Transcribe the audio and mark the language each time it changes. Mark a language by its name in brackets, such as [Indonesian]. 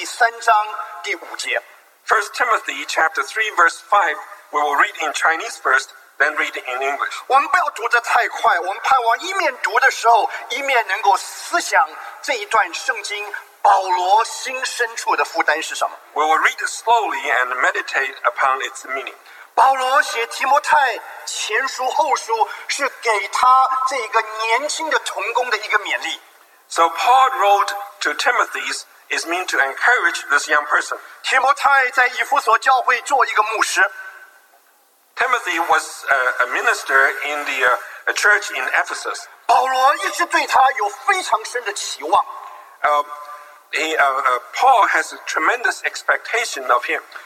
[Chinese] 好不好？我们用中文读一遍，然后用英文读一遍。提摩太前书第三章第五节。 [English] First Timothy chapter 3 verse 5, we will read in Chinese first. Then read in English. [Chinese] 我们不要读得太快，我们盼望一面读的时候，一面能够思想这一段圣经保罗心深处的负担是什么。 [English] We will read it slowly and meditate upon its meaning. [Chinese] 保罗写提摩太前书后书，是给他这个年轻的同工的一个勉励。 [English] So Paul wrote to Timothy is meant to encourage this young person. [Chinese] 提摩太在以弗所教会做一个牧师。 [English] Timothy was a minister in the church in Ephesus. Paul has a tremendous expectation of him.